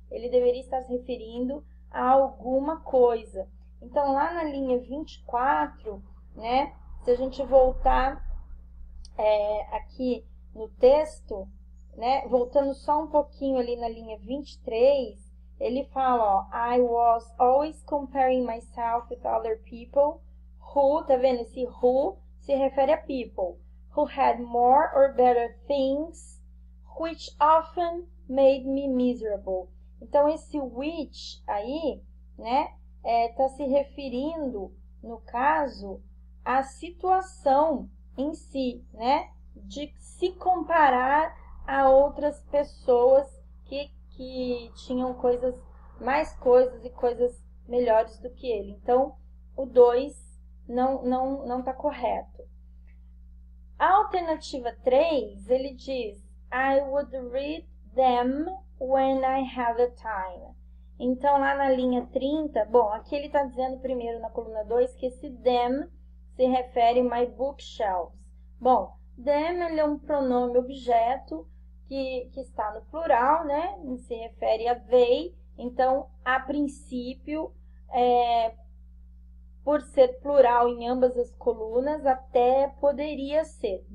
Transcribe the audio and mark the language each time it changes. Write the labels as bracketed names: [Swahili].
[Portuguese] Ele deveria estar se referindo a alguma coisa. Então, lá na linha 24, né? Se a gente voltar aqui no texto, né? Voltando só um pouquinho ali na linha 23, Ele fala, ó, [English] I was always comparing myself with other people who, [Portuguese] tá vendo? Esse who se refere a [English] people who had more or better things, which often made me miserable. [Portuguese] Então, esse which aí, né, tá se referindo, no caso, à situação em si, né, de se comparar a outras pessoas que tinham coisas, mais coisas e coisas melhores do que ele. Então, o 2 não tá correto. A alternativa 3, ele diz, [English] I would read them when I have the time. [Portuguese] Então, lá na linha 30, bom, aqui ele está dizendo primeiro na coluna 2 que esse them se refere my bookshelves. Bom, them, ele é um pronome objeto que está no plural, né? Ele se refere a they. Então, a princípio, por ser plural em ambas as colunas, até poderia ser.